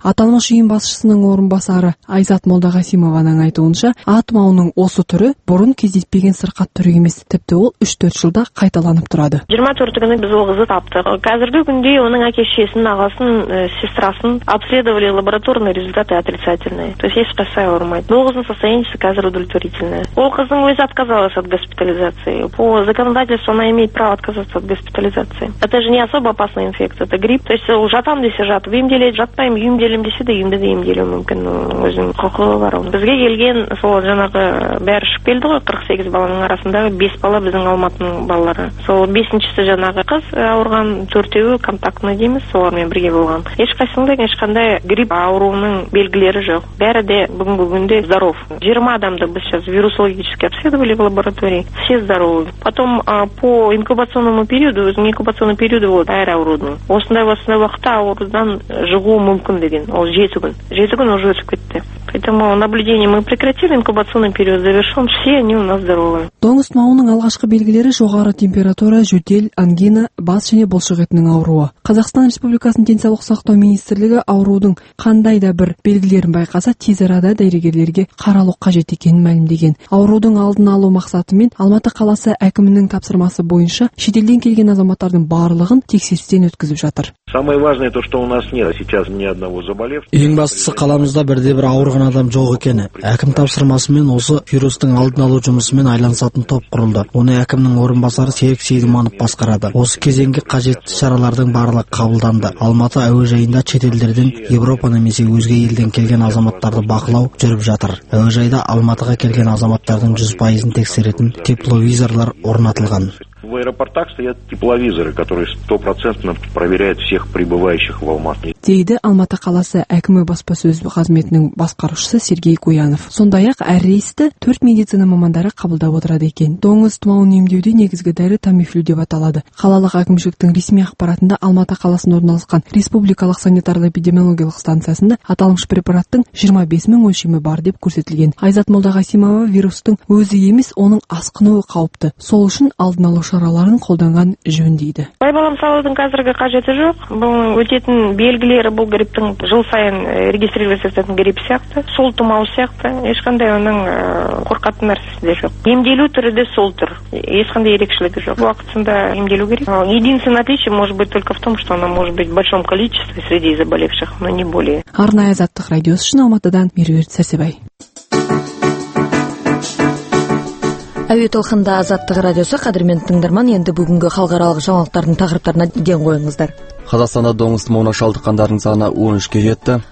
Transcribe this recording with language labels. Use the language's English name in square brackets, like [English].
[Kazakh] Аталмыш ұйым басшысының орынбасары Айзат Молдағасимованың айтуынша, атмауының осы түрі бұрын кездеспеген сырқат түрі емес, тіпті ол 3-4 жылда қайталанып тұрады. 24 күні біз ол қызды таптық. Қазіргі күнде оның әкешесінің ағасын, сестрасын [Russian] обследовали, лабораторный результаты отрицательные. [Kazakh] То есть ешқайсысы ауырмайды. Ол қыздың состояниесі қазір удовлетворительное. Ол қыздың өзі [Russian] отказалась от госпитализации. По законодательству она имеет право отказаться от госпитализации. Это же не особо опасная инфекция, это грипп. [Kazakh] То есть жатам десе жат, вимделе жатпайым, үйімделім десе де үйімді де емделу мүмкін өзінің құқығы бар. Бізге келген сол жаңағы бәрі шығып келді ғой, 48 баланың арасында 5 бала біздің Алматының балалары. Сол 5-ші жаңағы қыз ауырған, 4-ші контактный дейміз, солармен бірге болған. Ешқайсында ешқандай грипп ауруының белгілері жоқ. Бәрі де бүгінгі күнде здоров. [Russian] 20 [Kazakh] адамды біз [Russian] сейчас вирусологически обследовали в лаборатории. Все здоровы. Потом по инкубационному периоду, [Kazakh] өзінің инкубационный периоды болды әр аурудың. Осындай осындай уақытта аурудан жығуы мүмкін деген, ол жеті күн. Жеті күн [Russian] уже [Kazakh] өтіп кетті. [Russian] Поэтому наблюдение мы прекратили, инкубационный период завершен, все они у нас здоровы. [Kazakh] Доңыз тұмауының алғашқы белгілері жоғары температура, жөтел, ангина, бас және бұлшық етінің ауруы. Қазақстан Республикасының денсаулық сақтау министрлігі аурудың қандай да бір белгілерін байқаса, тез арада дәрігерлерге қаралу қажет екенін мәлімдеген. Аурудың алдын алу мақсатымен Алматы қаласы әкімінің тапсырмасы бойынша шетелден келген азаматтардың барлығын тексерістен өткізіп жатыр. [Russian] Самое важное то, что у нас нет сейчас ни одного заболевшего. [Kazakh] Ең бастысы қаламызда бірде бір ауырған адам жоқ екені. Әкім тапсырмасымен осы вирустың алдын алу жұмысымен айланысатын топ құрылды. Оны әкімнің орынбасары Серік Сейдіманов басқарады. Осы кезеңге қажетті шаралардың барлығы қабылданды. Алматы әуежайында шетелдерден, Еуропа немесе өзге елден келген азаматтарды бақылау жүріп жатыр. Әуежайда Алматыға келген азаматтардың 100% тексеретін тепловизорлар орнатылған. [Russian] В аэропортах стоят тепловизоры, которые 100% проверяют всех прибывающих в Алматы. [Kazakh] Дейді Алматы қаласы әкімі баспасөз қызметінің басқарушысы Сергей Куянов. Сондай-ақ әр рейсті 4 медицина мамандары қабылдап отырады екен. Доңыз тұмауын емдеуде негізгі дәрі Тамифлю деп аталады. Қалалық әкімшіліктің ресми ақпаратында Алматы қаласында орналасқан республикалық санитарлы-эпидемиологиялық станциясында аталмыш препараттың 25 000 өлшемі бар деп көрсетілген. Айзат Молдағасимова вирустың өзі емес, оның асқынуы қауіпті. Сол үшін алдын алу шараларын қолданған жөн дейді. Байбалам салудың қазіргі қажеті жоқ. Бұл өтетін белгілері бұл гриптің жыл сайын регистрируется грипп сияқты, сол тұмау сияқты, ешқандай оның қорқатын нәрсесі жоқ. Емделу түрі де сол тұр, ешқандай ерекшелігі жоқ. Уақытында емделу керек. [Russian] Единственное отличие может быть только в том, что она может быть в большом количестве среди заболевших, но не более. [Kazakh] Арнайы Азаттық радиосы үшін Алматыдан Меруерт Сәрсебай. Әуе толқында Азаттық радиосы қадірмен тыңдарман, енді бүгінгі халықаралық жаңалықтардың тақырыптарына ден қойыңыздар. Қазақстанда доңыз тұмауына шалдыққандардың саны 13-ке жетті.